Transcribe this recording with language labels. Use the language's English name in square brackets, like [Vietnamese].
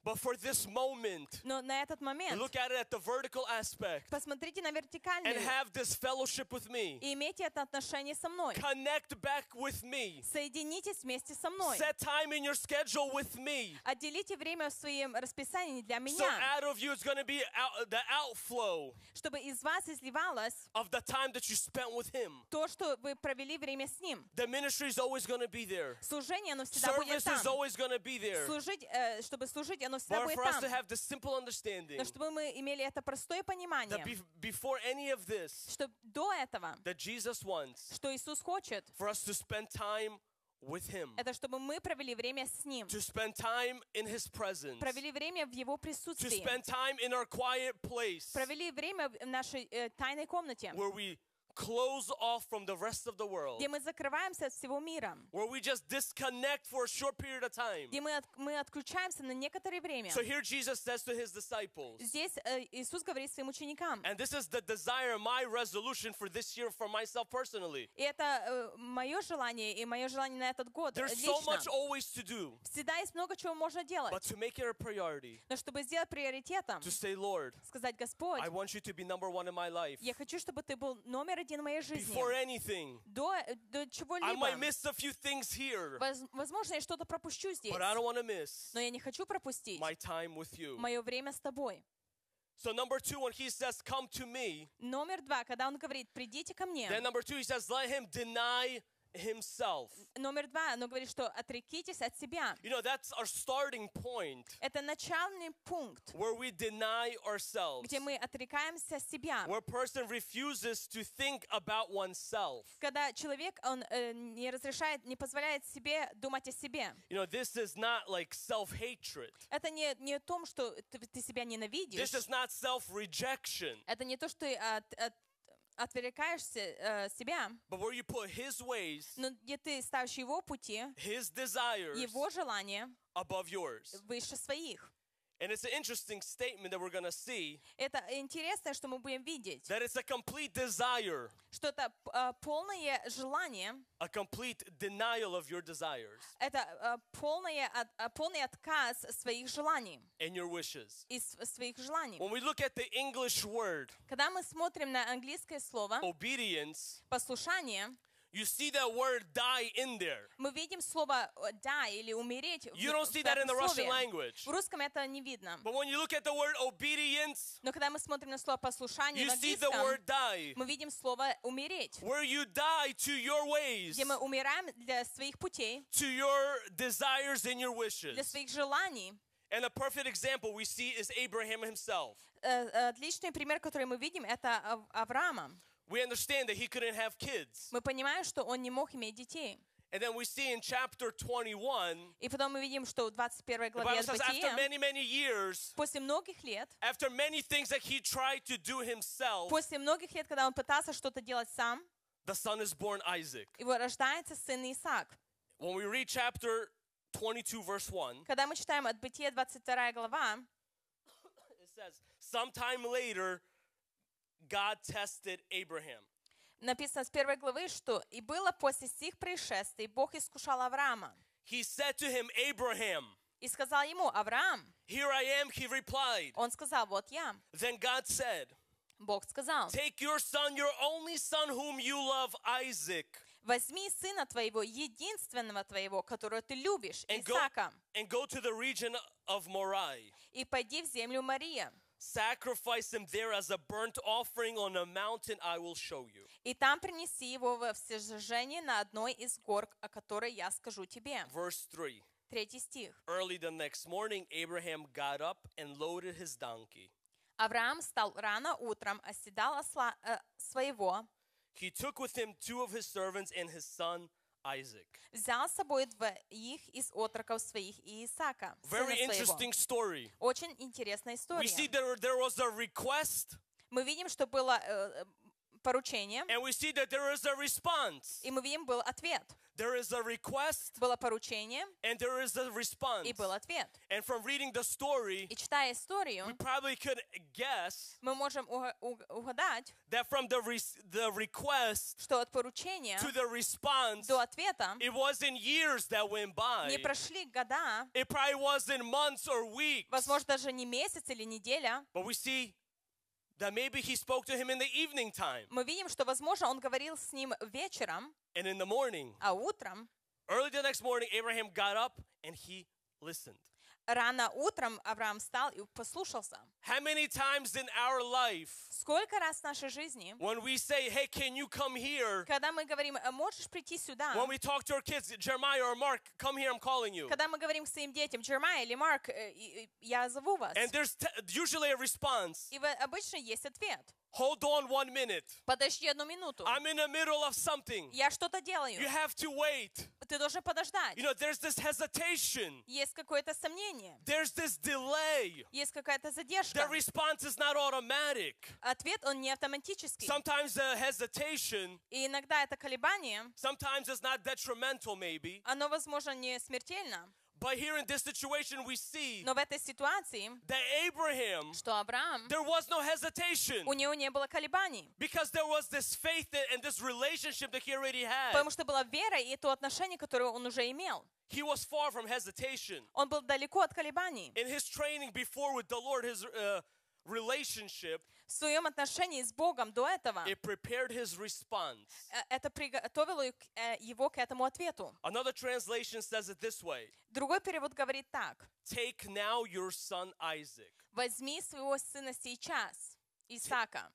[English] But for this moment. [Russian] Но на этот момент. [English] Look at it at the vertical aspect. [Russian] Посмотрите на вертикальный. [English] And have this fellowship with me. [Russian] И имейте это отношение со мной. [English] Connect back with me. [Russian] Соединитесь вместе со мной. [English] Set time in your schedule with me. [Russian] Отделите время в своем расписании для меня. [English] So out of you is going to be the outflow. [Russian] Чтобы из вас изливалось. [English] Of the time that you spent with him. [Russian] То, что вы провели время с ним. [English] The ministry is always going to be there. [Russian] Служение, оно всегда [English] Service [Russian] будет там. [English] Service is always going to be there. [Russian] Служить, чтобы служить, оно всегда [English] But [Russian] будет [English] for [Russian] там. [English] Us to have this simple understanding. [Russian] Но чтобы мы имели это простое понимание. [English] That before any of this. [Russian] Чтобы до этого. [English] That Jesus wants. [Russian] Что Иисус хочет. [English] For us to spend time. With him. [Russian] Это чтобы мы провели время с ним. [English] To spend time in his presence. [Russian] Провели время в его присутствии. [English] To spend time in our quiet place. [Russian] Провели время в нашей тайной комнате. [English] Where we close off from the rest of the world. [Russian] Где мы закрываемся от всего мира. [English] Where we just disconnect for a short period of time. [Russian] Где мы отключаемся на некоторое время. [English] So here Jesus says to his disciples. [Russian] Здесь Иисус говорит своим ученикам. [English] And this is the desire, my resolution for this year for myself personally. [Russian] И это мое желание и мое желание на этот год. [English] There's so much always to do. [Russian] Всегда есть много чего можно делать. [English] But to make it a priority. [Russian] Но чтобы сделать приоритетом. [English] To say, Lord. [Russian] Сказать, Господь. [English] I want you to be number one in my life. [Russian] Я хочу, чтобы ты был номер [English] Before anything, I might miss a few things here. [Russian] Возможно, я что-то пропущу здесь. [English] But I don't want to miss. [Russian] Но я не хочу пропустить. [English] My time with you. [Russian] Мое время с тобой. [English] So number two, when he says, "Come to me." [Russian] Номер два, когда он говорит, придите ко мне. [English] Then number two, he says, "Let him deny himself." [Russian] Номер два, оно говорит, что отрекитесь от себя. [English] You know, that's our starting point. [Russian] Это начальный пункт. [English] Where we deny ourselves. [Russian] Где мы отрекаемся себя. [English] Where a person refuses to think about oneself. [Russian] Когда человек, он не разрешает, не позволяет себе думать о себе. [English] You know, this is not like self-hatred. [Russian] Это не о том, что ты себя ненавидишь. [English] This is not self-rejection. [Russian] Это не то, что ты отвлекаешься себя, [English] but where you put his ways, [Russian] но где ты ставишь его пути, [English] his desires, [Russian] его желания [English] above yours. [Russian] Выше своих. [English] And it's an interesting statement that we're going to see. [Russian] Это интересное, что мы будем видеть. [English] That it's a complete desire. [Russian] Что это полное желание. [English] A complete denial of your desires. [Russian] Это полный отказ своих желаний. [English] And your wishes. [Russian] Из своих желаний. [English] When we look at the English word. [Russian] Когда мы смотрим на английское слово. [English] Obedience. [Russian] Послушание. [English] You see that word die in there. [Russian] Мы видим слово die или умереть. [English] You don't see that in the Russian language. [Russian] В русском это не видно. [English] But when you look at the word obedience, [Russian] но когда мы смотрим на слово послушание, [English] you see the word die. [Russian] Мы видим слово умереть. [English] Where you die to your ways. [Russian] Где мы умираем для своих путей. [English] To your desires and your wishes. [Russian] Для своих желаний. [English] And a perfect example we see is Abraham himself. [Russian] Отличный пример, который мы видим, это Авраама. [English] We understand that he couldn't have kids. [Russian] Мы понимаем, что он не мог иметь детей. [English] And then we see in chapter 21. [Russian] И потом мы видим, что в 21 главе [English] Бытия. But after many, many years. [Russian] После многих лет. [English] After many things that he tried to do himself. [Russian] После многих лет, когда он пытался что-то делать сам. [English] The son is born Isaac. [Russian] Его рождается сын Исаак. [English] When we read chapter 22, verse 1. [Russian] Когда мы читаем от Бытия 22 глава. [English] It says, sometime later. God tested Abraham. [Russian] Написано с первой главы, что и было после сих происшествий Бог искушал Авраама. [English] He said to him, Abraham. [Russian] И сказал ему Авраам. [English] Here I am, he replied. [Russian] Он сказал, вот я. [English] Then God said. [Russian] Бог сказал. [English] Take your son, your only son, whom you love, Isaac. [Russian] Возьми сына твоего, единственного твоего, которого ты любишь, Исаака. [English] And go to the region of Moriah. [Russian] И пойди в землю Мория. [English] Sacrifice him there as a burnt offering on a mountain I will show you. [Russian] И там принеси его во всесожжение на одной из гор, о которой я скажу тебе. [English] Verse 3. [Russian] Третий стих. [English] Early the next morning Abraham got up and loaded his donkey. [Russian] Авраам встал рано утром, оседал осла своего. [English] He took with him two of his servants and his son Isaac. [Russian] Взял с собой двоих из отроков своих и Исаака. [English] Very interesting story. [Russian] Очень интересная история. [English] We see there was a request. [Russian] Мы видим, что было поручение. [English] And we see that there is a response. [Russian] И мы видим, был ответ. [English] There is a request. [Russian] Было поручение. [English] And there is a response. [Russian] И был ответ. [English] And from reading the story, [Russian] и читая историю, [English] we probably could guess, [Russian] мы можем угадать, [English] that from the request, [Russian] что от поручения, [English] to the response, [Russian] до ответа, [English] it wasn't years that went by. [Russian] Не прошли года. [English] It probably wasn't months or weeks. [Russian] Возможно, даже не месяц или неделя. [English] But we see that maybe he spoke to him in the evening time. [Russian] Мы видим, что возможно он говорил с ним вечером. [English] And in the morning. [Russian] А утром. [English] Early the next morning, Abraham got up and he listened. [Russian] Рано утром Авраам встал и послушался. [English] How many times in our life? [Russian] Сколько раз в нашей жизни? [English] When we say, "Hey, can you come here?" [Russian] Когда мы говорим, можешь прийти сюда? [English] When we talk to our kids, Jeremiah or Mark, come here, I'm calling you. [Russian] Когда мы говорим к своим детям, Jeremiah или Mark, я зову вас. [English] And there's usually a response. [Russian] И обычно есть ответ. [English] Hold on 1 minute. [Russian] Подожди одну минуту. [English] I'm in the middle of something. [Russian] Я что-то делаю. [English] You have to wait. [Russian] Ты должен подождать. [English] You know, there's this hesitation. [Russian] Есть какое-то сомнение. [English] There's this delay. [Russian] Есть какая-то задержка. [English] The response is not automatic. [Russian] Ответ он не автоматический. [English] Sometimes the hesitation. [Russian] И иногда это колебание. [English] Sometimes it's not detrimental, maybe. [Russian] Оно возможно не смертельно. [English] But here in this situation we see. [Russian] Но в этой ситуации. [English] That Abraham. [Russian] Что Авраам. [English] There was no hesitation. [Russian] У него не было колебаний. [English] Because there was this faith and this relationship that he already had. [Russian] Потому что была вера и то отношение, которое он уже имел. [English] He was far from hesitation. [Russian] Он был далеко от колебаний. [English] In his training before with the Lord, his relationship. [Russian] В своем отношении с Богом до этого. [English] It prepared his response. [Russian] Это приготовило его к этому ответу. [English] Another translation says it this way. [Russian] Другой перевод говорит так. [English] Take now your son Isaac. [Russian] Возьми своего сына сейчас, Исаака.